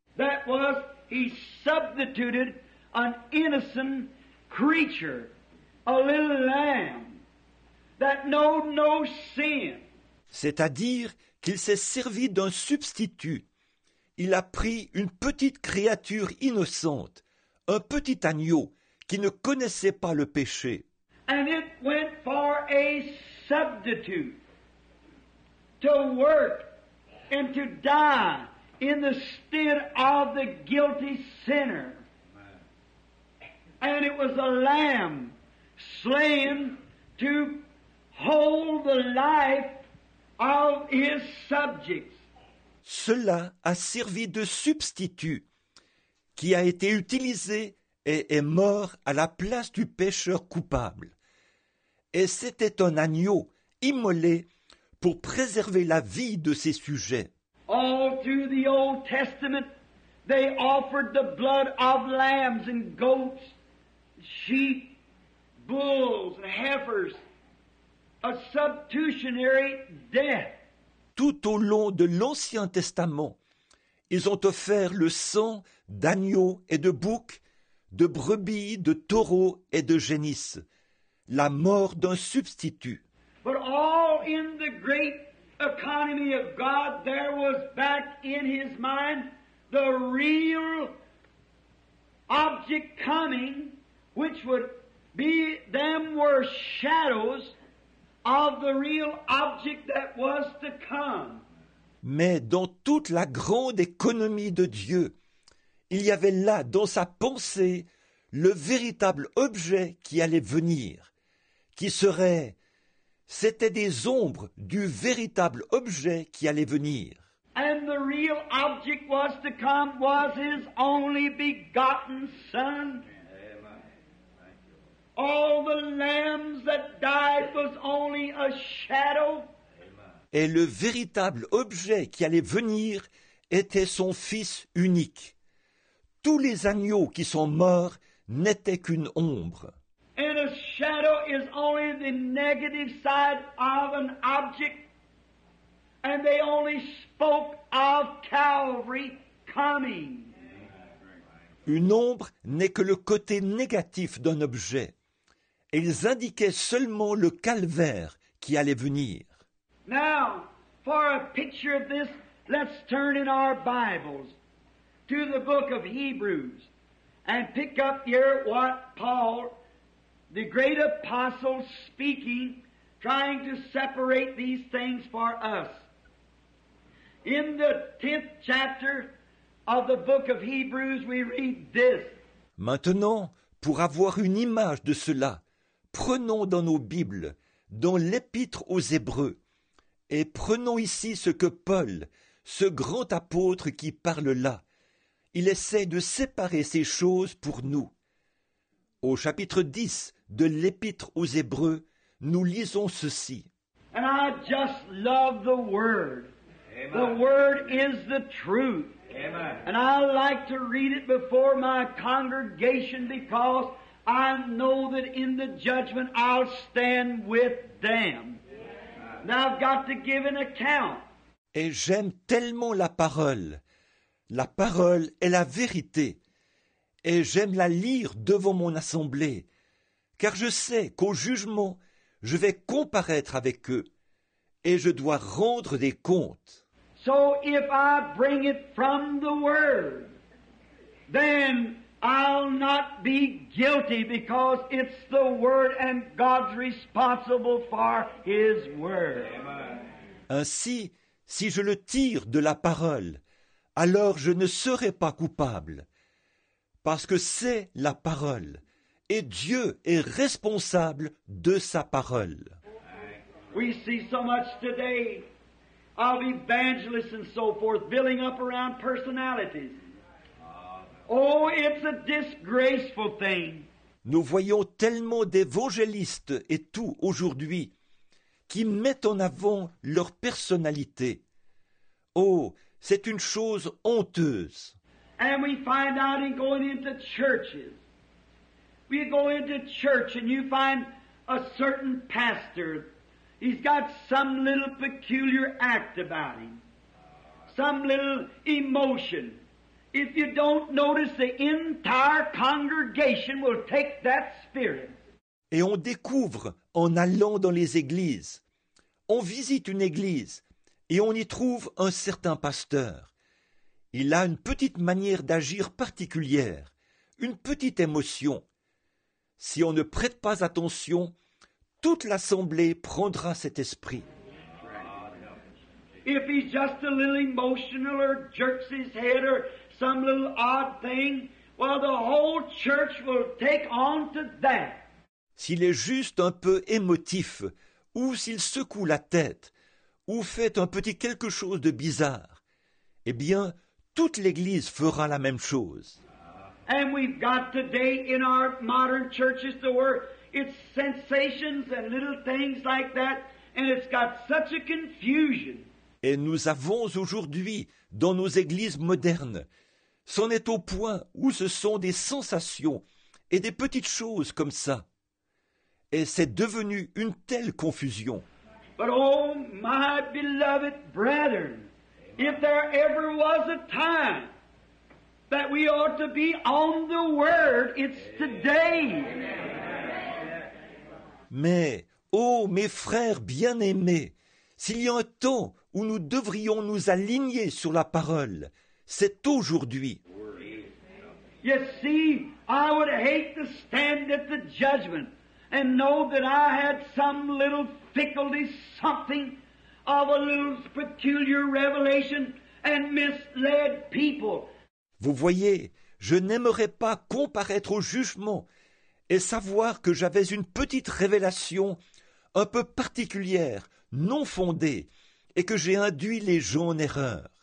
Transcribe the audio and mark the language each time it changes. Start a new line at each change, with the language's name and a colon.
English: That was, he substituted an innocent creature, a little lamb, that knew no sin.
French: C'est-à-dire qu'il s'est servi d'un substitut. Il a pris une petite créature innocente, un petit agneau, qui ne connaissait pas le péché.
English: And it went for a substitute to work and to die in the stead of the guilty sinner. And it was a lamb slain to hold the life of his subjects.
French: Cela a servi de substitut qui a été utilisé et est mort à la place du pécheur coupable. Et c'était un agneau immolé pour préserver la vie de ses sujets.
English: All through the Old Testament, they offered the blood of lambs and goats, sheep, bulls and heifers, a substitutionary death.
French: Tout au long de l'Ancien Testament, ils ont offert le sang d'agneaux et de boucs, de brebis, de taureaux et de génisses, la mort d'un substitut.
English: But all in the great economy of God, there was back in his mind the real object coming, which would be them were shadows of the real object that was to come.
French: Mais dans toute la grande économie de Dieu, il y avait là, dans sa pensée, le véritable objet qui allait venir, qui serait, c'était des ombres du véritable objet qui allait venir.
English: And the real object was to come was his only begotten son. All the lambs that died was only a shadow.
French: Et le véritable objet qui allait venir était son fils unique. Tous les agneaux qui sont morts n'étaient qu'une ombre.
English: And a shadow is only the negative side of an object, and they only spoke of Calvary coming.
French: Une ombre n'est que le côté négatif d'un objet, et ils indiquaient seulement le calvaire qui allait venir.
English: Now, for a picture of this, let's turn in our Bibles to the book of Hebrews, and pick up here what Paul, the great apostle, speaking, trying to separate these things for us. In the 10th chapter of the book of Hebrews, we read this.
French: Maintenant, Pour avoir une image de cela, prenons dans nos Bibles, dans l'Épître aux Hébreux, et prenons ici ce que Paul, ce grand apôtre qui parle là, il essaie de séparer ces choses pour nous. Au chapitre 10 de l'Épître aux Hébreux, nous lisons ceci.
English: And I just love the word. Amen. The word is the truth. Amen. And I like to read it before my congregation because I know that in the judgment I'll stand with them. Amen. Now I've got to give an account.
French: Et j'aime tellement la parole. La parole est la vérité. Et j'aime la lire devant mon assemblée. Car je sais qu'au jugement, je vais comparaître avec eux. Et je dois rendre des comptes.
English: So if I bring it from the Word, then I'll not be guilty because it's the Word and God's responsible for His Word. Amen.
French: Ainsi, si je le tire de la parole, alors je ne serai pas coupable, parce que c'est la parole, et Dieu est responsable de sa parole.
English: We see so much today. Of evangelists and so forth, building up around personalities. Oh, it's a disgraceful thing.
French: Nous voyons tellement d'évangélistes et tout aujourd'hui qui mettent en avant leur personnalité. Oh, c'est une chose honteuse.
English: And we find out in going into churches. We go into church and you find a certain pastor. He's got some little peculiar act about him, some little emotion. If you don't notice, the entire congregation will take that spirit.
French: Et on découvre en allant dans les églises. On visite une église et on y trouve un certain pasteur. Il a une petite manière d'agir particulière, une petite émotion. Si on ne prête pas attention, toute l'assemblée prendra cet esprit.
English: If he's just a little emotional or jerks his head or some little odd thing, well, the whole church will take on to that.
French: S'il est juste un peu émotif, ou s'il secoue la tête, ou fait un petit quelque chose de bizarre, eh bien, toute l'église fera la même chose.
English: And we've got today in our modern churches the word. It's sensations and little things like that, and it's got such a confusion.
French: Et nous avons aujourd'hui dans nos églises modernes, c'en est au point où ce sont des sensations et des petites choses comme ça. Et c'est devenu une telle confusion.
English: But oh, my beloved brethren, if there ever was a time that we ought to be on the Word, it's today. Amen.
French: Mais, oh, mes frères bien-aimés, s'il y a un temps où nous devrions nous aligner sur la parole, c'est aujourd'hui.
English: You see, I would hate to stand at the judgment and know that I had some little fickle something of a little peculiar revelation and misled people.
French: Vous voyez, je n'aimerais pas comparaître au jugement et savoir que j'avais une petite révélation un peu particulière, non fondée, et que j'ai induit les gens en erreur.